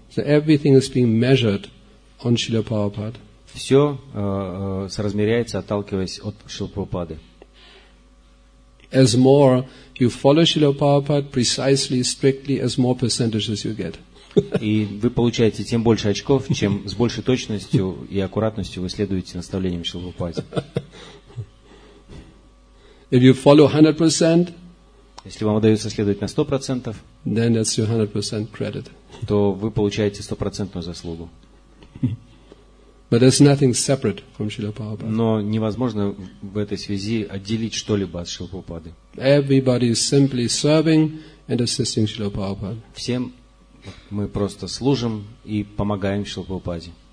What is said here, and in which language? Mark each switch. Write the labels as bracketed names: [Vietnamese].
[English] So everything is being measured on Srila Prabhupada. [Russian] Все соразмеряется, отталкиваясь от Шрила Прабхупады. [English] As more you follow Srila Prabhupada precisely, strictly, as more percentages you get. [Russian] И вы получаете тем больше очков, чем с большей точностью и аккуратностью вы следуете наставлениям Шрила Прабхупады. [English] If you follow 100%, [Russian] если вам удается следовать на 100%, [English] then that's your 100% credit. [Russian] То вы получаете 100% заслугу. [English] But there's nothing separate from Srila Prabhupada. [Russian] Но невозможно в этой связи отделить что-либо от Шрила Прабхупады. [English] Everybody is simply serving and assisting Srila Prabhupada. [Russian] Всем мы просто служим и помогаем Шрила Прабхупаде.